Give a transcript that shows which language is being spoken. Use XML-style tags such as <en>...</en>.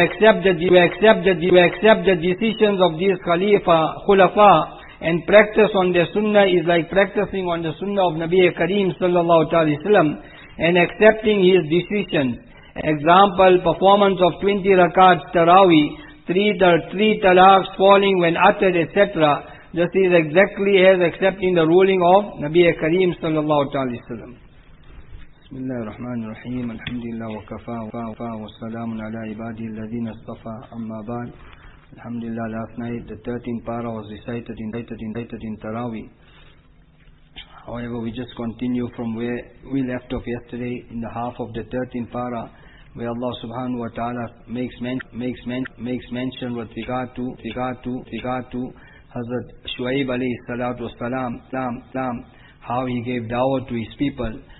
<en>To accept the decisions of these Khalifa, Khulafa, and practice on their Sunnah is like practicing on the Sunnah of Nabi Kareem sallallahu alaihi wasallam and accepting his decisions. Example, performance of 20 rakats tarawih, three talaqs falling when uttered, etc. This is exactly as accepting the ruling of Nabi Kareem sallallahu alaihi wasallam.</en> <ar>بسم الله الرحمن الرحيم الحمد لله وكفى والسلام على عباده الذين اصطفى أما بعد الحمد لله</ar> <en>last night the 13th para was recited in Tarawih. However, we just continue from where we left off yesterday in the half of the 13th para, where Allah subhanahu wa ta'ala makes mention with regard to Hazrat Shuaib alayhi salatu wasalam, how he gave da'wah to his people.</en>